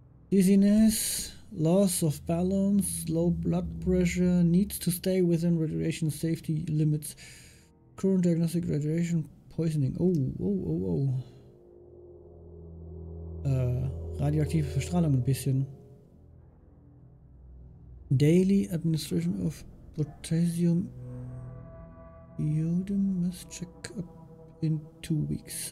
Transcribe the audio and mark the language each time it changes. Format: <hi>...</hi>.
<en>Dizziness, loss of balance, low blood pressure, needs to stay within radiation safety limits. Current diagnostic radiation poisoning. Oh.</en> <de>Radioaktive Verstrahlung ein bisschen.</de> <en>Daily administration of potassium iodine must check up in 2 weeks.</en>